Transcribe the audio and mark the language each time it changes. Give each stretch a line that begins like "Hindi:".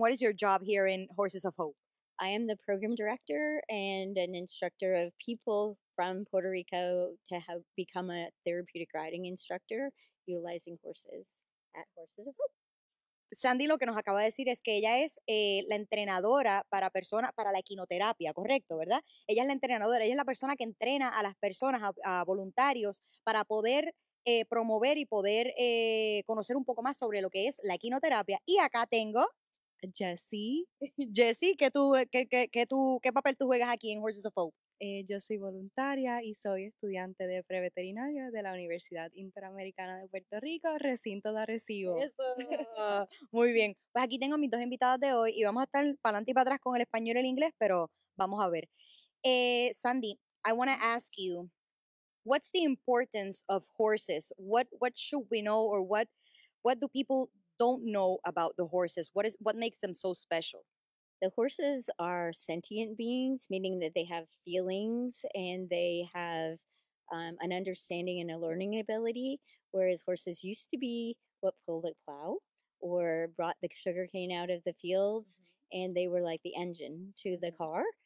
English: What is your job here in Horses of Hope? I am the program director and an instructor of people from Puerto Rico to have become a therapeutic riding instructor utilizing horses at Horses of Hope.
Spanish: Sandy, lo que nos acaba de decir es que ella es la entrenadora para personas, para la equinoterapia, correcto, ¿verdad? Ella es la entrenadora, ella es la persona que entrena a las personas, a voluntarios, para poder promover y poder conocer un poco más sobre lo que es la equinoterapia. Y acá tengo a Jessie. Jessie, ¿qué papel tú juegas aquí en Horses of Hope? Yo soy voluntaria y soy estudiante de preveterinaria de la Universidad Interamericana de Puerto Rico, recinto de Arecibo. Eso. Muy bien. Pues aquí tengo a mis dos invitadas de hoy y vamos a estar para adelante y para atrás con el español y el inglés, pero vamos a ver.
English: Sandy, I want to ask you, what's the importance of horses? What should we know or what do people don't know about the horses? What makes them so special? The horses are sentient beings, meaning that they have feelings and they have an understanding and a learning ability, whereas horses used to be what pulled a plow or brought the sugarcane out of the fields, and they were like the engine to the car.